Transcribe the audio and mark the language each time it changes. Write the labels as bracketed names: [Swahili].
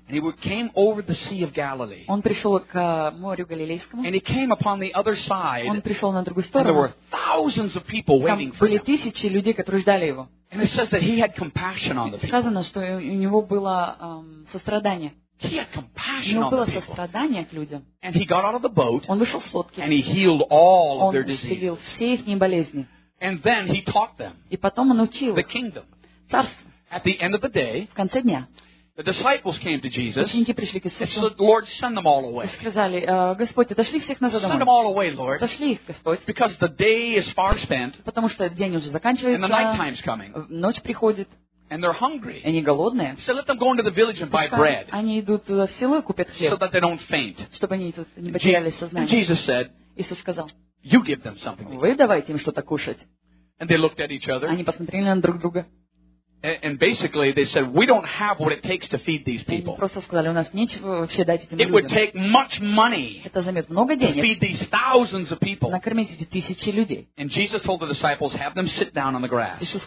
[English] And he came over the Sea of Galilee. [Russian] Он пришел к морю Галилейскому. [English] And he came upon the other side. [Russian] Он пришел на другую сторону. [English] And there were thousands of people waiting for him. [Russian] Там были тысячи людей, которые ждали его. [English] And it says that he had compassion on the people. [Russian] Сказано, что у него было сострадание. [English] He had compassion on the people. [Russian] У него было сострадание к людям. [English] And he got out of the boat. [Russian] Он вышел с лодки. [English] And he healed all of their diseases. [Russian] Он исцелил все их болезни. [English] And then he taught them. [Russian] И потом он учил [English] the kingdom. At the end of the day, [Russian] в конце дня, [English] the disciples came to Jesus. [Russian] Ученики пришли к Иисусу. [English] And said, Lord, send them all away. [Russian] Сказали, Господь, отошли всех назад домой. [English] Send them all away, Lord. [Russian] Отошли их, Господь. [English] Because the day is far spent. [Russian] Потому что день уже заканчивается. [English] And the night time's coming. [Russian] Ночь приходит. [English] And they're hungry. [Russian] Они голодные. [English] So let them go into the village and buy bread. [Russian] Они идут туда в село и купят хлеб. [English] So that they don't faint. [Russian] Чтобы они тут не потеряли сознание. [English] And Jesus said, [Russian] Иисус сказал, [English] you give them something. [Russian] Вы давайте им что-то кушать. [English] And they looked at each other. [Russian] Они посмотрели на друг друга. [English] And basically, they said, we don't have what it takes to feed these people. It would take much money to feed these thousands of people. And Jesus told the disciples, have them sit down on the grass.